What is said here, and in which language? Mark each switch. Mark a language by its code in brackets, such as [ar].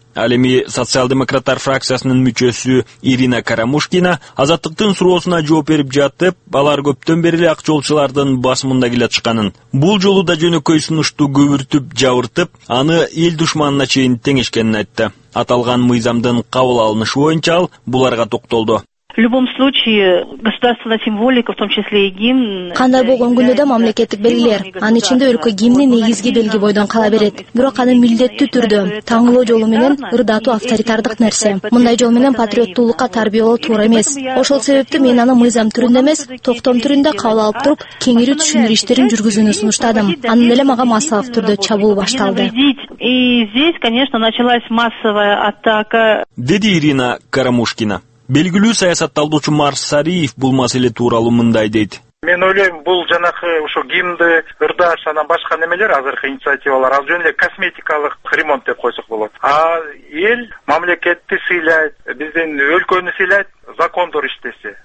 [ky] Ал эми социал-демократтар фракциясынын мүчөсү Ирина Карамушкина азаттыктын суроосуна жооп берип жатып, алар көптөн бери эле ак жолчулардын басымында келатышканын, бул жолу да жөнөкөй сунушту көбүртүп жабыртып, аны эл душманына чейин теңешкенин айтты. Аталган мыйзамдын кабыл алынышы боюнча ал буларга токтолду. [ru] В любом случае государственная символика, в том числе и гимн. [ky] Кандай болгон күндө да мамлекеттик белгилер, анын ичинде өлкө гимни негизги белги бойдон кала берет. Бирок анын милдеттүү түрдө таңылоо жолу менен ырдатуу авторитардык нерсе. Мындай жол менен патриоттуулукка тарбиялоо туура эмес. Ошол себептен мен аны мыйзам түрүндө эмес, токтом түрүндө кабыл алып туруп, кеңири түшүндүрүү иштерин жүргүзүүнү сунуштадым. Анын эле мага массалык түрдө чабуул башталды. [ru] И здесь, конечно, началась массовая атака. [ky] Деди Ирина Карамушкина. Белгилүү саясатталуучу Марс Сариев бул маселе тууралуу мындай дейт. Мен ойлойм, бул жанагы ушу гимнди ырдаш, анан башка немелер, азыркы инициативалар ал жөн эле косметикалык ремонт деп койсок болот. А эл мамлекетти сыйлайт, биздин өлкөнү сыйлайт, закондор иштесе.